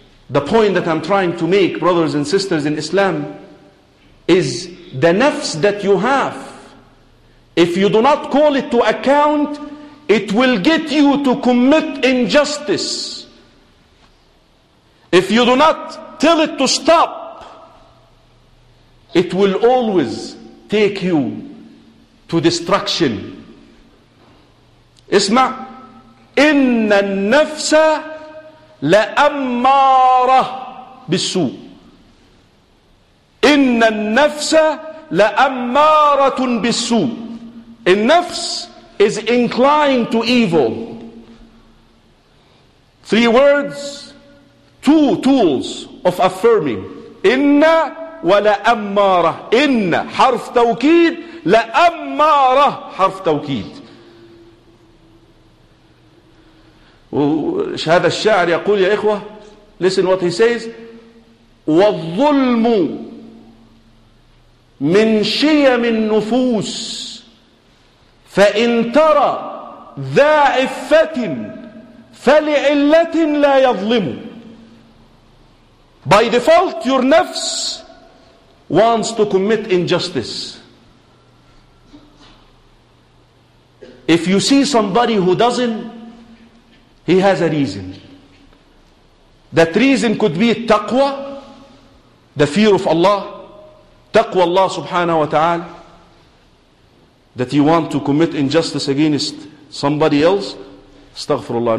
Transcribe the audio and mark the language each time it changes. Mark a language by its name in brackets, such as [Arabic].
[English] The point that I'm trying to make, brothers and sisters in Islam, is the nafs that you have, if you do not call it to account, it will get you to commit injustice. If you do not tell it to stop, it will always take you to destruction. [Arabic] Isma, إِنَّ النَّفْسَ لَأَمَّارَةٌ بِالسُّوءِ. إِنَّ النَّفْسَ لَأَمَّارَةٌ بِالسُّوءِ. [English] النَّفْس is inclined to evil. Three words, two tools of affirming. [Arabic] إِنَّ وَلَأَمَّارَةٌ. إِنَّ حرف توكيد, لَأَمَّارَةٌ حرف توكيد. هذا الشاعر يقول يا إخوة, [English] listen what he says, [Arabic] والظلم من شيم النفوس فإن ترى ذا عفة فلعلة لا يظلم. [English] By default your nafs wants to commit injustice. If you see somebody who doesn't, he has a reason. That reason could be taqwa, the fear of Allah, taqwa Allah subhanahu wa ta'ala, that you want to commit injustice against somebody else. Astaghfirullah.